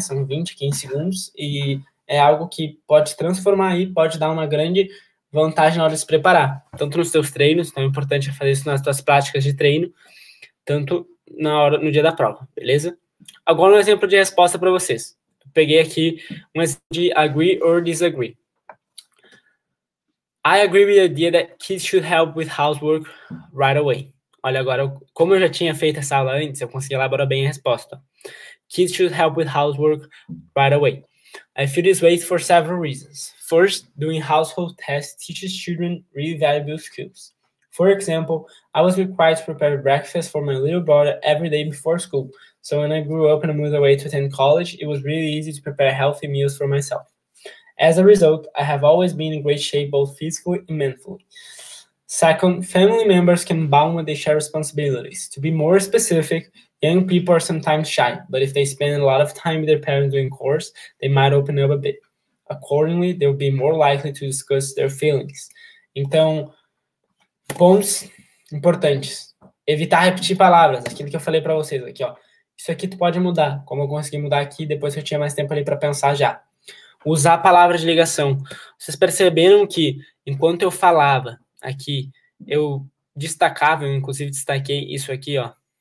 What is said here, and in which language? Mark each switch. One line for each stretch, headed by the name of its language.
Portuguese: São 20, 15 segundos, e é algo que pode transformar aí, pode dar uma grande... vantagem na hora de se preparar, tanto nos teus treinos, então é importante fazer isso nas tuas práticas de treino, tanto na hora, no dia da prova, beleza? Agora um exemplo de resposta para vocês. Peguei aqui um exemplo de agree or disagree.
English: I agree with the idea that kids should help with housework right away.
Portuguese: Olha agora, como eu já tinha feito essa aula antes, eu consegui elaborar bem a resposta.
English: Kids should help with housework right away. I feel this way for several reasons. First, doing household tests teaches children really valuable skills. For example, I was required to prepare breakfast for my little brother every day before school. So when I grew up and moved away to attend college, it was really easy to prepare healthy meals for myself. As a result, I have always been in great shape both physically and mentally. Second, family members can bond when they share responsibilities. To be more specific, young people are sometimes shy, but if they spend a lot of time with their parents doing chores, they might open up a bit. Accordingly, they'll be more likely to discuss their feelings.
Portuguese: Então, pontos importantes. Evitar repetir palavras, aquilo que eu falei para vocês aqui, ó. Isso aqui tu pode mudar, como eu consegui mudar aqui depois que eu tinha mais tempo ali para pensar já. Usar palavras de ligação. Vocês perceberam que enquanto eu falava aqui, eu destacava, eu inclusive destaquei isso aqui, ó.